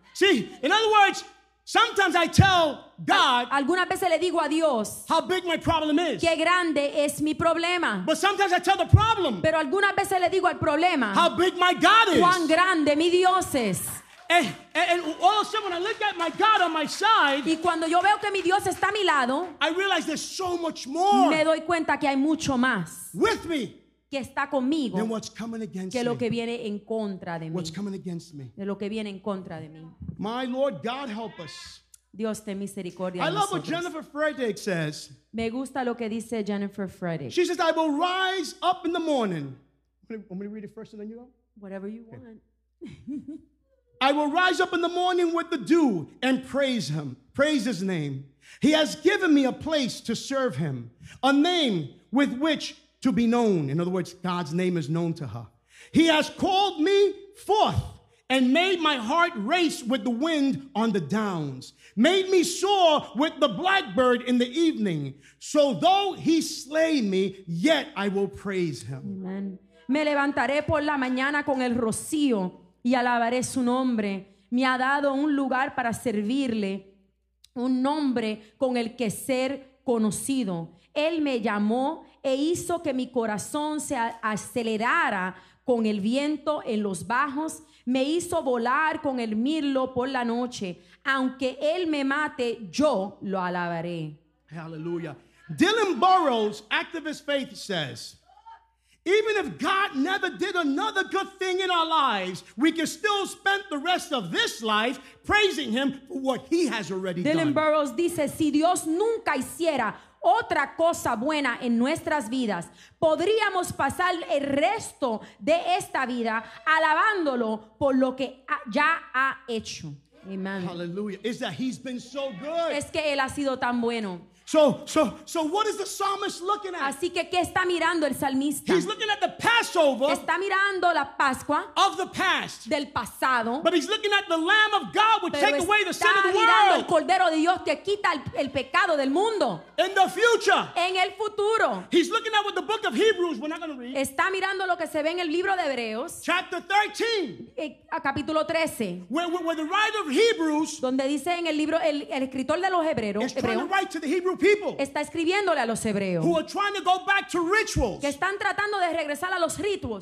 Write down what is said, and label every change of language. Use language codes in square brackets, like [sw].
[en] See, in other words, sometimes I tell God, [es] algunas veces le digo a Dios, [en] how big my problem is. [es] Qué grande es mi problema. [en] But sometimes I tell the problem, [es] pero algunas veces le digo al problema, [en] how big my God is. [es] Cuán grande mi Dios es. [en] And all of a sudden, when I look at my God on my side, [es] y cuando yo veo que mi Dios está a mi lado, [en] I realize there's so much more. [es] Me doy cuenta que hay mucho más [en] with me [es] que está conmigo [en] than what's coming against [es] que [en] me. [es] Lo que viene en contra de mí. [en] What's coming against me? [es] De lo que viene en contra de mí. [en] My Lord, God help us. [es] Dios ten misericordia. [en] I love what Jennifer Friedrich says. [es] Me gusta lo que dice Jennifer Friedrich. [en] She says, "I will rise up in the morning." I'm going to read it first, and then you go. Whatever you okay. want. I will rise up in the morning with the dew and praise him, praise his name. He has given me a place to serve him, a name with which to be known. In other words, God's name is known to her. He has called me forth and made my heart race with the wind on the downs, made me soar with the blackbird in the evening. So though he slay me, yet I will praise him. Amen. [es] Me levantaré por la mañana con el rocío. Y alabaré su nombre. Me ha dado un lugar para servirle, un nombre con el que ser conocido. Él me llamó e hizo que mi corazón se acelerara con el viento en los bajos, me hizo volar con el mirlo por la noche. Aunque él me mate, yo lo alabaré. [en] Hallelujah. Dylan Burroughs, activist faith, says, even if God never did another good thing in our lives, we can still spend the rest of this life praising him for what he has already Dylan [es] Dylan Burroughs dice, si Dios nunca hiciera otra cosa buena en nuestras vidas, podríamos pasar el resto de esta vida alabándolo por lo que ya ha hecho. [en] Amen. Hallelujah. Is that he's been so good. [es] Es que él ha sido tan bueno. [en] So what is the psalmist looking at? [es] Así que, ¿qué está mirando el salmista? [en] He's looking at the Passover. [es] Está mirando la Pascua [en] of the past. [es] Del pasado. [en] But he's looking at the Lamb of God, which [es] Pero [en] take away the sin of the world. [es] Está mirando el Cordero de Dios que quita el pecado del mundo. [en] In the future. [es] En el futuro. [en] He's looking at what the book of Hebrews, we're not going to read. [es] Está mirando lo que se ve en el libro de Hebreos. [en] Chapter 13. [es] Capítulo 13. [en] Where the writer of Hebrews. [es] Donde dice en el libro el escritor de los Hebreos. [en] Is trying to write to the Hebrew people. [es] Está escribiéndole a los hebreos. [en] Who are trying to go back to rituals. [es] Que están tratando de regresar a los ritos.